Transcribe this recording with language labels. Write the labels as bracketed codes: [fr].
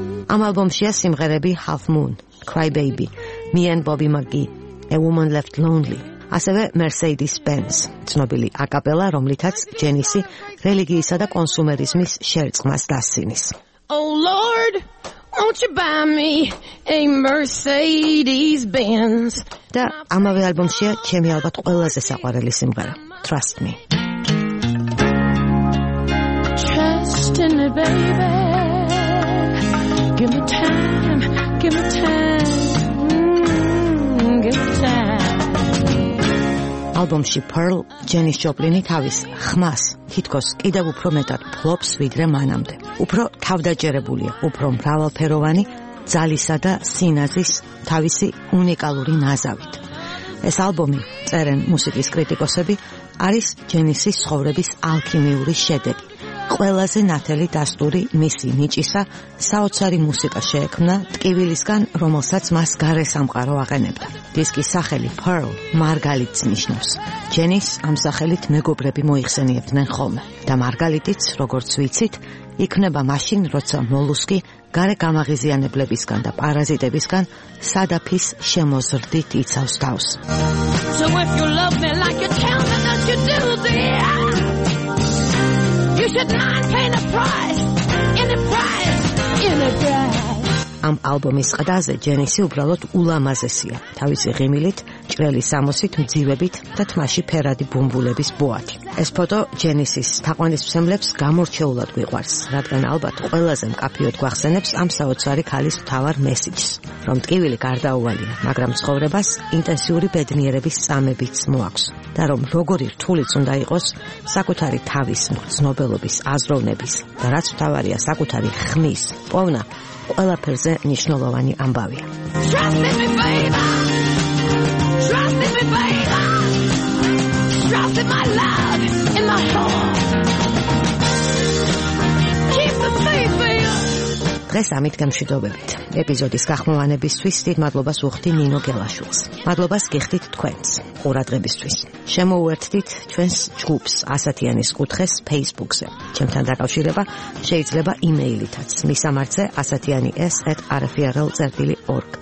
[ka] ამ ალბომშია სიმღერები Half Moon, Cry Baby, Me and Bobby McGee, A Woman Left Lonely, ასევე Mercedes Benz, ცნობილი აკაპელა, რომლითაც ჯენისი რელიგიისა და კონსუმერიზმის შერწყმას დასცინის. [en] Oh Lord, won't you buy me a Mercedes Benz? [ka] და ამავე ალბომშია ჩემი ალბათ ყველაზე საყვარელი სიმღერა, Trust Me. [en] Trust in me, baby. Give me time, give me time, give me time. [ka] ალბომში Pearl ჯენის ჯოპლინი თავის ხმას თითქოს კიდევ უფრო მეტად ფლობს ვიდრე მანამდე. უფრო თავდაჯერებულია, უფრო მრავალფეროვანი, ძალისა და სინაზის თავისი უნიკალური ნაზავით. ეს ალბომი, წერენ მუსიკის კრიტიკოსები, არის ჯენისის ცხოვრების ალქიმიური შედეგი. ყველაზე ნათელი დასტური მისი ნიჭისა საოცარი მუსიკა შეექმნა ტკივილისგან, რომელსაც მას გარესამყარო აღენებდა. დისკის სახელი Pearl, მარგალიტს ნიშნავს. ჯენის ამ სახელით მეგობრები მოიხსენიებდნენ ხოლმე. და მარგალიტიც, როგორც ვიცით, იქნება მაშინ, როცა მოლუსკი გარე გამაღიზიანებლებისგან და პარაზიტებისგან სადაფის შემოზრდით იცავს თავს. [en] So if you love me like you tell me that you do, dear, you should not pay the price, any price, any price. [ka] ამ ალბომის ყდაზე ჯენისი უბრალოდ ულამაზესია, თავისი ღიმილით, ჭრელი სამოსით, მძივებით და თმაში ფერადი ბუმბულების ბოათი. ეს ფოტო ჯენისის თაყვანისმცემლებს გამორჩეულად გვიყვარს, რადგან ალბათ ყველაზე მკაფიოდ გვახსენებს ამ საოცარი ქალის მთავარ მესიჯს, რომ ტკივილი გარდაუვალია, მაგრამ ცხოვრებას ინტენსიური ბედნიერების წამებიც მოაქვს და რომ როგორი რთულიც უნდა იყოს, საკუთარი თავის მგრძნობელობის, აზროვნების და რაც მთავარია საკუთარი ხმის პოვნა ყველაფერზე მნიშვნელოვანი ამბავია. [en] Trust in my love, in my heart. Keep the faith, baby. [ka] დღეს ამით გამშვიდობებით. ეპიზოდის გახმოვანებისთვის დიდ მადლობას უხდი ნინო გელაშვილს. მადლობას გიხდით თქვენს ყურადღებისთვის. შემოუერთდით ჩვენს ჯგუფს ასათიანის კუთხეს Facebook-ზე. ჩემთან დაკავშირება შეიძლება იმეილითაც. მისამართზე asatiani@rfrl.org.